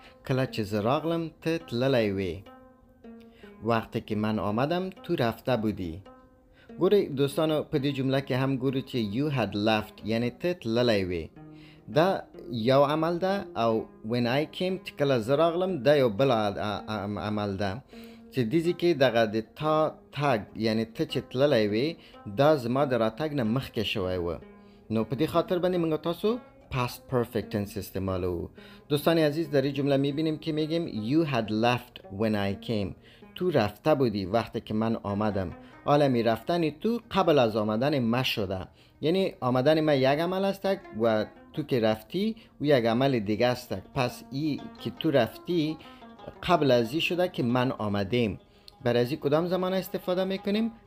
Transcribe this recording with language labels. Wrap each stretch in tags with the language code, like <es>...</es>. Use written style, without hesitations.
<ps>کله چې زه راغلم ته تللی وې.</ps> <fa>وقتی که من آمدم تو رفته بودی.</fa> <ps>ګورئ دوستانو، په دې جمله کې هم ګورو چې</ps> <en>You had left</en> <ps>یعنی ته تللی وې. دا یو عمل ده، او</ps> <en>When I came</en> <ps>چې کله زه راغلم، دا یو بل عمل ده. چې دیزی که دغه د تا تگ یعنی ته چې تللی وې، دا زما د راتګ نه مخکې شوی و. نو په دې خاطر باندې موږ تاسو past perfect tense استعمالوو.</ps> <fa>دوستان عزیز، در این جمله میبینیم که میگیم</fa> <en>You had left when I came.</en> <fa>تو رفته بودی وقتی که من آمدم. عالمی رفتن تو قبل از آمدن ما شده. یعنی آمدن ما یک عمل است و تو که رفتی او یک عمل دیگه است. پس ای که تو رفتی قبل از این شده که من آمدیم. برای از این کدام زمان استفاده میکنیم؟</fa>